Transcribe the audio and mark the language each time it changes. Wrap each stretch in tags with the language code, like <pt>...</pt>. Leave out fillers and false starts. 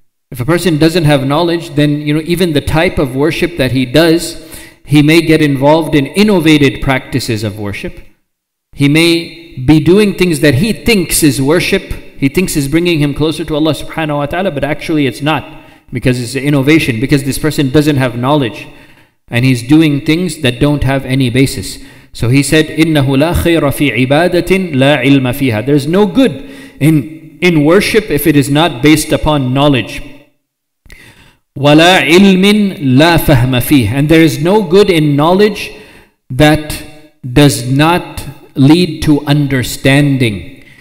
<en>If a person doesn't have knowledge, then you know, even the type of worship that he does, he may get involved in innovated practices of worship. He may be doing things that he thinks is worship, he thinks is bringing him closer to Allah subhanahu wa ta'ala, but actually it's not, because it's an innovation, because this person doesn't have knowledge and he's doing things that don't have any basis. So he said,</en> <ar>إِنَّهُ لَا خَيْرَ فِي عِبَادَةٍ لَا عِلْمَ فِيهَا.</ar> <en>There's no good in worship if it is not based upon knowledge.</en> <ar>وَلَا عِلْمٍ لَا فَهْمَ فِيهَا.</ar> <en>And there is no good in knowledge that does not lead to understanding.</en>